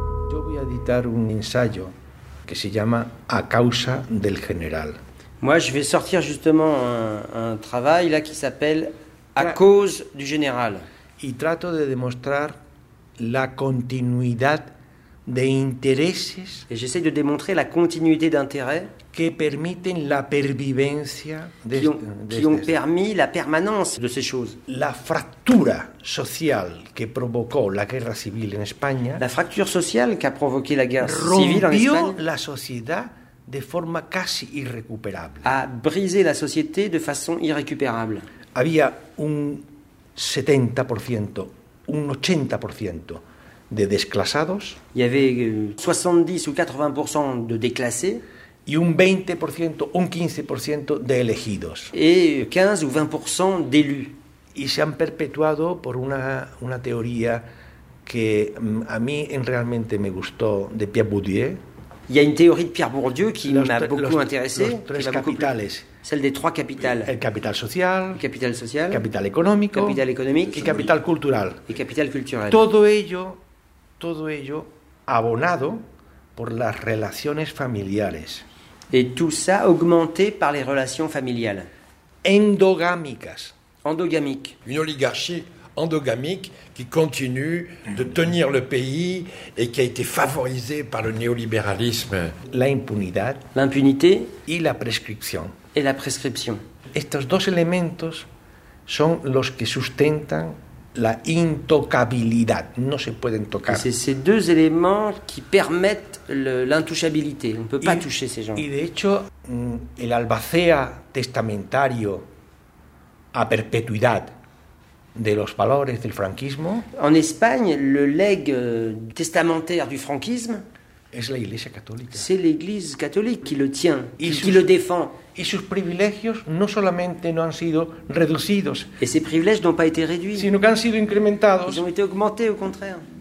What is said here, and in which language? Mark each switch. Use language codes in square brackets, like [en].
[fr] Je vais éditer un ensayo qui s'appelle « [es] A causa del general ». [fr] Moi, je vais sortir justement un travail là, qui s'appelle « À cause du général ». [es] Y trato de demostrar la continuidad de intereses. [fr] Et j'essaie de démontrer la continuité d'intérêts [es] que permiten la pervivencia [fr] de permis la permanence de ces choses. [es] La fractura social que provocó la guerra civil en España. [fr] La fracture sociale qu'a provoqué la guerre civile en Espagne. [es] Rompió la sociedad de forma casi irrecuperable. [fr] A brisé la société de façon irrécupérable. [es] Había un 70%, un 80% de desclasados. [fr] Il y avait 70 ou 80% de déclassés. [es] Y un 20%, un 15% de elegidos. [fr] Et 15 ou 20% d'élus. [es] Y se han perpetuado por una teoría que a mí realmente me gustó de Pierre Bourdieu. [fr] Il y a une théorie de Pierre Bourdieu qui m'a beaucoup intéressé. Les trois capitales. Celle des trois capitales. [es] El capital social. [fr] Le capital social. [es] Capital económico. Capital económico. Y capital cultural. [fr] Et capital culturel. [es] Todo ello abonado por las relaciones familiares. [fr] Et tout ça augmenté par les relations familiales. [es] Endogámicas. [fr] Endogámiques. Une oligarchie endogamique qui continue de tenir le pays et qui a été favorisé par le néolibéralisme. L'impunité et la prescription. [es] Estos dos elementos son los que sustentan la intocabilidad. No se pueden tocar. [fr] C'est ces deux éléments qui permettent l'intouchabilité. On ne peut pas toucher ces gens. [es] Y de hecho, el albacea testamentario a perpetuidad de los valores del franquismo. [fr] En Espagne, le legs testamentaire du franquisme C'est l'Église catholique qui le tient, qui le défend. Et ses privilèges non seulement n'ont été réduits. Et ses privilèges n'ont pas été réduits. [es] Sino que han sido incrementados. [fr] Ils ont été augmentés au contraire.